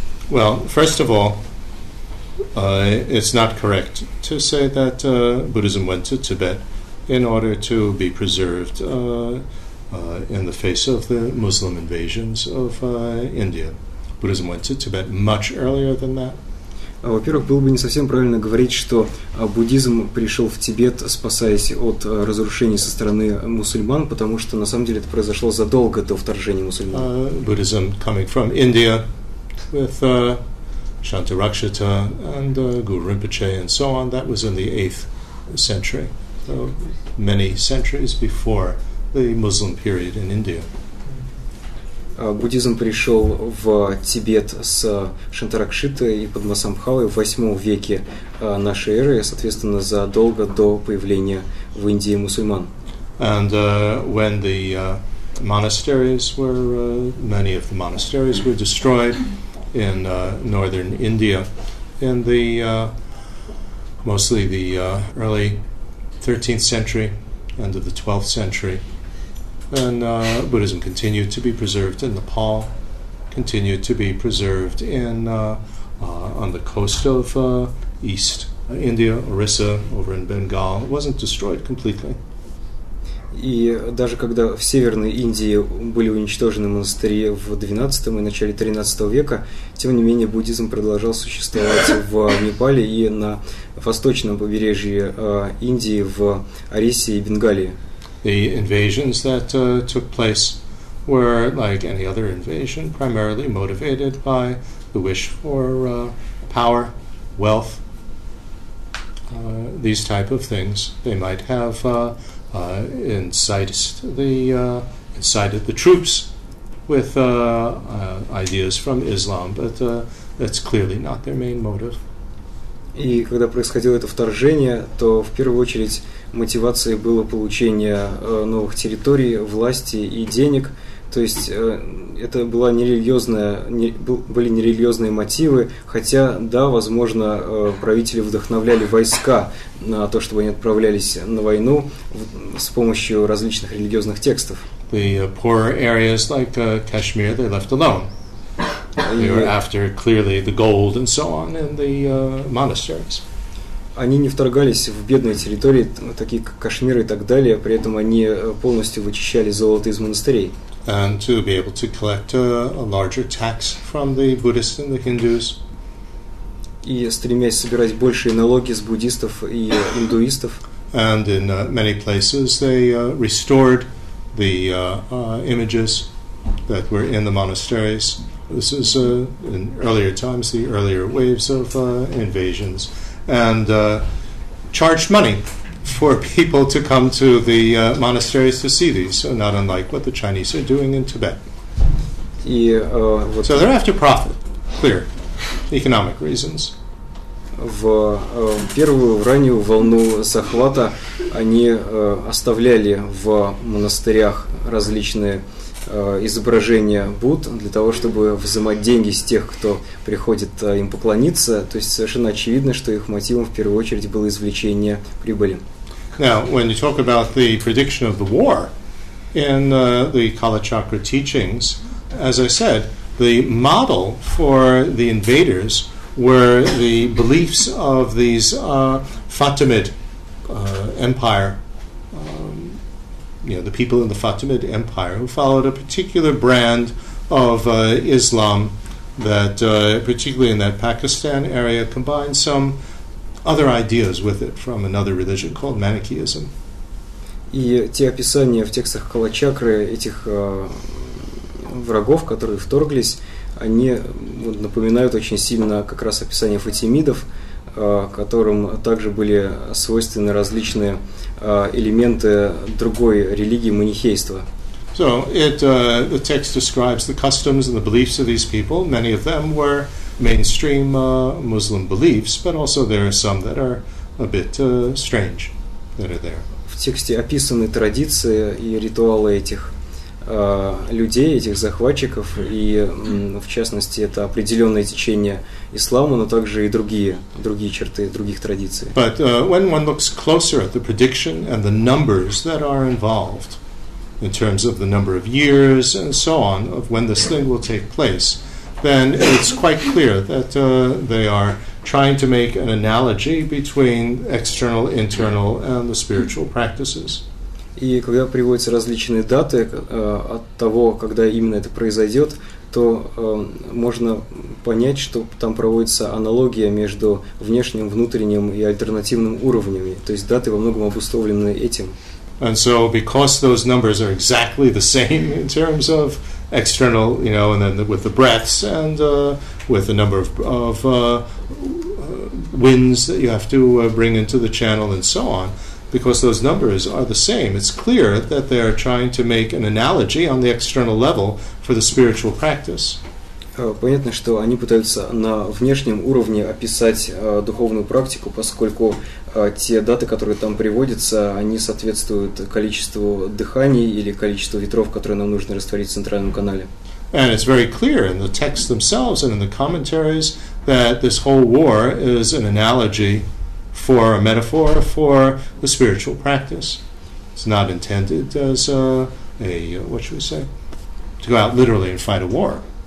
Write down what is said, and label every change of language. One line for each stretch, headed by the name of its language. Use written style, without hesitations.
English: Well, first of all, it's not correct to say that Buddhism went to Tibet in order to be preserved in the face of the Muslim invasions of India. Buddhism went to Tibet much earlier than that.
Russian: Во-первых, было бы не совсем правильно говорить, что буддизм пришел в Тибет, спасаясь от разрушений со стороны мусульман, потому что на самом деле это произошло задолго до вторжения мусульман.
English: Buddhism coming from India with Shantarakshita and Guru Rinpoche and so on, that was in the 8th century, so many centuries before the Muslim period in India.
Russian: Буддизм пришел в Тибет с Шантаракшиты и Падмасамбхавой в 8 веке нашей эры, соответственно, задолго до появления в Индии мусульман.
English: And when the monasteries were, many of the monasteries were destroyed in northern India, in the, mostly the early 13th century, end of the 12th century, and Buddhism continued to be preserved in Nepal, continued to be preserved in on the coast of East India, Orissa, over in Bengal. It wasn't destroyed completely.
Russian: И даже когда в Северной Индии были уничтожены монастыри в 12 и начале 13 века, тем не менее буддизм продолжал существовать в Непале и на восточном побережье Индии в Орисе и Бенгалии.
English: The invasions that took place were, like any other invasion, primarily motivated by the wish for power, wealth, these type of things. They might have incited the troops with ideas from Islam, but that's clearly not their main motive.
Russian: И когда происходило это вторжение, то в первую очередь мотивацией было получение новых территорий, власти и денег. То есть это была были нерелигиозные мотивы, хотя, да, возможно, правители вдохновляли войска на то, чтобы они отправлялись на войну с помощью различных религиозных текстов.
English: The poorer areas like Kashmir, they left alone. They were after clearly the gold and so on in the monasteries.
Russian: Они не вторгались в бедные территории, такие как Кашмир и так далее, при этом они полностью вычищали золото из монастырей.
English: And to be able to collect a larger tax from the Buddhists and the Hindus.
Russian: И стремясь собирать большие налоги с буддистов и индуистов.
English: And in many places they restored the images that were in the monasteries. This is in earlier times, the earlier waves of invasions, and charged money for people to come to the monasteries to see these, so not unlike what the Chinese are doing in Tibet. So they're after profit, clear, economic reasons.
Russian: В первую раннюю волну захвата они оставляли в монастырях различные изображения Будд для того, чтобы взимать деньги с тех, кто приходит им поклониться. То есть совершенно очевидно, что их мотивом в первую очередь было извлечение прибыли.
English: Now, when you talk about the prediction of the war in the Kalachakra teachings, as I said, the model for the invaders were the beliefs of these Fatimid empire, the people in the Fatimid empire who followed a particular brand of Islam that, particularly in that Pakistan area, combined some other ideas with it from another religion called Manichaeism.
Russian: И те описания в текстах Калачакры этих врагов, которые вторглись, они напоминают очень сильно как раз описание фатимидов, которым также были свойственны различные элементы другой религии манихейства.
English: So it the text describes the customs and the beliefs of these people. Many of them were mainstream Muslim beliefs, but also there are some that are a bit strange that are there.
Russian: В тексте описаны традиции и ритуалы этих людей, этих захватчиков, и в частности это определенное течение ислама, но также и другие черты других традиций.
English: But when one looks closer at the prediction and the numbers that are involved in terms of the number of years and so on of when this thing will take place, then it's quite clear that they are trying to make an analogy between external, internal and the spiritual practices.
Russian: И когда приводятся различные даты от того, когда именно это произойдет, то можно понять, что там проводится аналогия между внешним, внутренним и альтернативным уровнями. То есть даты во многом обусловлены этим.
English: And so because those numbers are exactly the same in terms of external, you know, and then with the breaths and with the number of winds that you have to bring into the channel and so on, because those numbers are the same, it's clear that they are trying to make an analogy on the external level for the spiritual practice.
Russian: Понятно, что они пытаются на внешнем уровне описать духовную практику, поскольку те даты, которые там приводятся, они соответствуют количеству дыханий или количеству ветров, которые нам нужно растворить в центральном канале.
English: And it's very clear in the texts themselves and in the commentaries that this whole war is an analogy for a metaphor for the spiritual practice. It's not intended as a what should we say, to go out literally and fight a war.